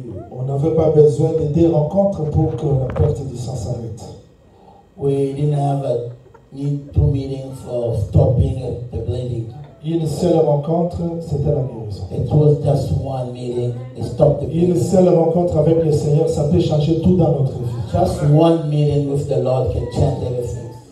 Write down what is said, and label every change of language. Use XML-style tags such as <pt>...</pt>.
<fr>on n'avait pas besoin de des rencontres pour que la perte de sens s'arrête.</fr> <en>We didn't have need two meetings for stopping the bleeding.</en> <fr>Une seule rencontre, c'était la guérison.</fr> <en>It was just one meeting to stop the bleeding.</en> <fr>Une seule rencontre avec le Seigneur, ça peut changer tout dans notre vie.</fr> <en>Just one meeting with the Lord can change everything.</en>